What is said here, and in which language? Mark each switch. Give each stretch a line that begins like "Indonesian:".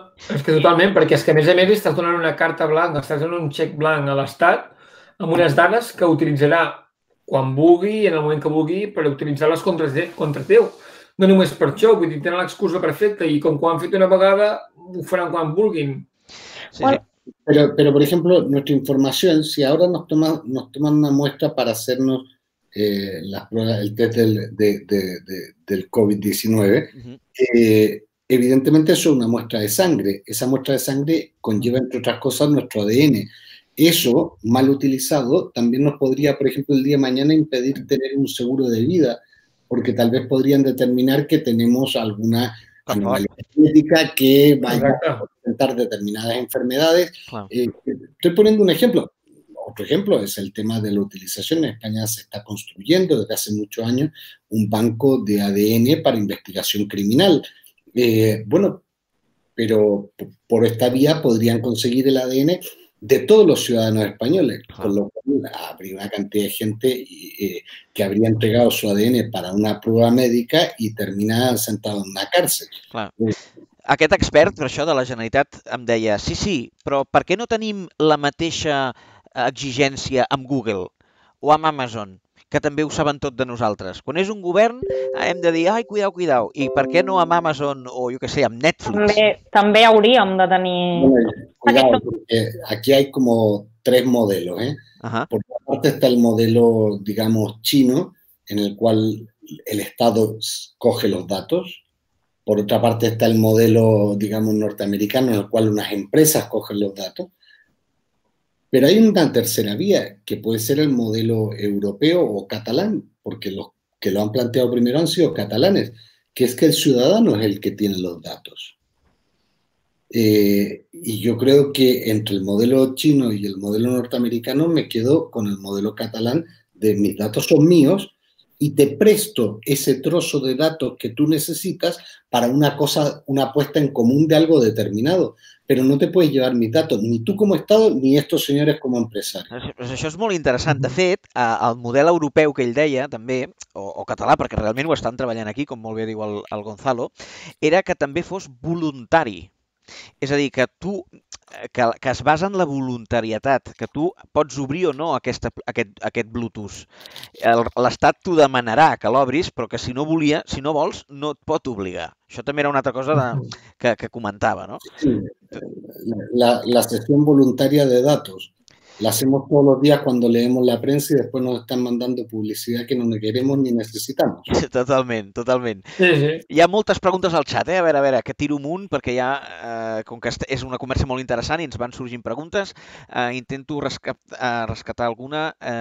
Catalan: És que totalment, perquè és que a més estàs donant una carta blanca, estàs donant un xec blanc a l'Estat amb unes dades que utilitzarà quan vulgui, en el moment que vulgui, per utilitzar-les contra teu. No només per això, vull dir, tenen l'excusa perfecta i com que ho han fet una vegada, ho faran quan vulguin.
Spanish: Sí, bueno. Pero, por ejemplo, nuestra información, si ahora nos toman una muestra para hacernos el test del COVID-19, evidentemente eso es una muestra de sangre. Esa muestra de sangre conlleva, entre otras cosas, nuestro ADN. Eso, mal utilizado, también nos podría, por ejemplo, el día de mañana impedir tener un seguro de vida, porque tal vez podrían determinar que tenemos alguna genética que vaya a presentar determinadas enfermedades. Claro. Estoy poniendo un ejemplo. Otro ejemplo es el tema de la utilización. En España se está construyendo desde hace muchos años un banco de ADN para investigación criminal. Bueno, pero por esta vía podrían conseguir el ADN de todos los ciudadanos españoles, claro. Con lo cual habría una cantidad de gente que habría entregado su ADN para una prueba médica y termina sentado en una cárcel. Claro.
Catalan: Aquest expert, per això, de la Generalitat, em deia, sí, però per què no tenim la mateixa exigència amb Google o amb Amazon, que també ho saben tot de nosaltres? Quan és un govern, hem de dir, ai, cuidao, i per què no amb Amazon o, jo què sé, amb Netflix? També hauríem de tenir...
Spanish: Cuidado, porque aquí hay como 3 modelos, ¿eh? Ajá. Por una parte está el modelo, digamos, chino, en el cual el Estado coge los datos. Por otra parte está el modelo, digamos, norteamericano, en el cual unas empresas cogen los datos. Pero hay una tercera vía, que puede ser el modelo europeo o catalán, porque los que lo han planteado primero han sido catalanes, que es que el ciudadano es el que tiene los datos. Y yo creo que entre el modelo chino y el modelo norteamericano me quedo con el modelo catalán de mis datos son míos y te presto ese trozo de datos que tú necesitas para una cosa, una puesta en común de algo determinado, pero no te puedes llevar mis datos, ni tú como Estado, ni estos señores como empresarios.
Catalan: Pues això és molt interessant. De fet, el model europeu que ell deia, també, o català, perquè realment ho estan treballant aquí, com molt bé diu el Gonzalo, era que també fos voluntari. És a dir, que tu, que es basa en la voluntarietat, que tu pots obrir o no aquest Bluetooth. L'Estat t'ho demanarà que l'obris, però que si no volia, si no vols, no et pot obligar. Això també era una altra cosa que comentava, no? Sí. La cessió voluntària de datos.
Spanish: La hacemos todos los días cuando leemos la prensa y después nos están mandando publicidad que no queremos ni necesitamos.
Catalan: Totalment, totalment. Sí. Hi ha moltes preguntes al xat, eh? A veure, que tiro amunt, perquè ja, com que és una conversa molt interessant i ens van sorgint preguntes, intento rescatar alguna.